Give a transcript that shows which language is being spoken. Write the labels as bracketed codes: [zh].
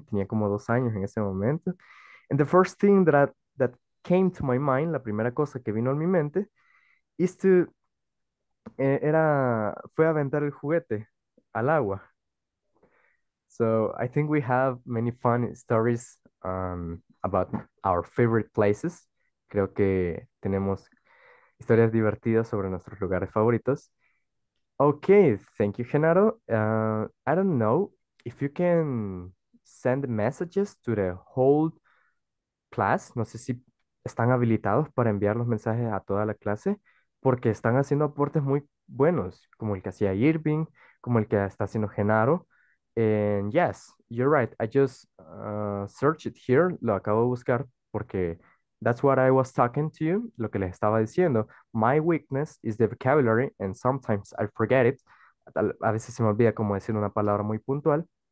[es] Tenía como 2 años en ese momento. [en] And the first thing that came to my mind, [es] la primera cosa que vino a mi mente, fue aventar el juguete al agua. [en] So I think we have many fun stories about our favorite places. [es] Creo que tenemos historias divertidas sobre nuestros lugares favoritos. [en] Okay, thank you, Genaro. I don't know if you can send messages to the whole class. [es] No sé si están habilitados para enviar los mensajes a toda la clase, porque están haciendo aportes muy buenos, como el que hacía Irving, como el que está haciendo Genaro. [en] And yes, you're right. I just searched it here. [es] Lo acabo de buscar porque [en] that's what I was talking to you. [es] Lo que les estaba diciendo. [en] My weakness is the vocabulary and sometimes I forget it. [es] A veces se me olvida cómo decir una palabra muy puntual.